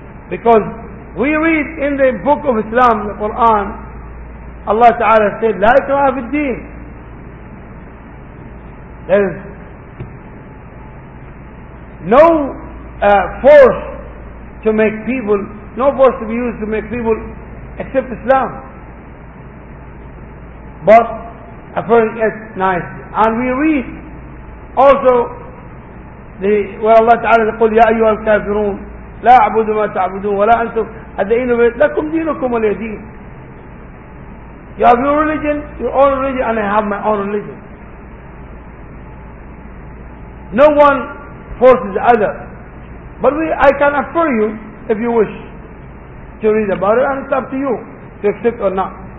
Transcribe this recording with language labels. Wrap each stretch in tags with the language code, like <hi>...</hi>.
<en>Because we read in the book of Islam, the Quran, Allah Ta'ala said,</en> <ar>لا إكراه في الدين.</ar> <en>There is no force to make people, no force to be used to make people accept Islam. But affirming it nicely. And we read also where Allah Ta'ala said,</en> <ar>يا أيها الكافرون لا أعبد ما تعبدون ولا أنتم أدعين لكم دينكم ولي دين.</ar> <en>You have your religion, your own religion, and I have my own religion. No one forces the other. But I can assure you, if you wish, to read about it, and it's up to you to accept or not.</en>